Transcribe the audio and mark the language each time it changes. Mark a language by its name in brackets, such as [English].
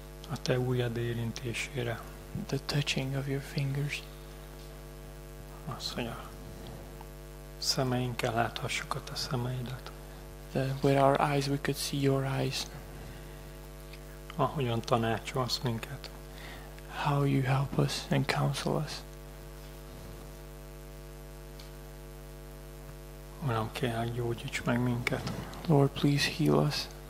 [Hungarian] A te ujjad érintésére. [English] The touching of your fingers. [Hungarian] Azt, hogy a szemeinkkel láthassuk a te szemeidet. [English] That with our eyes we could see your eyes. [Hungarian] Ahogyan tanácsolsz minket. [English] How you help us and counsel us. [Hungarian] Uram, kérlek, gyógyíts meg minket. [English] Lord, please heal us.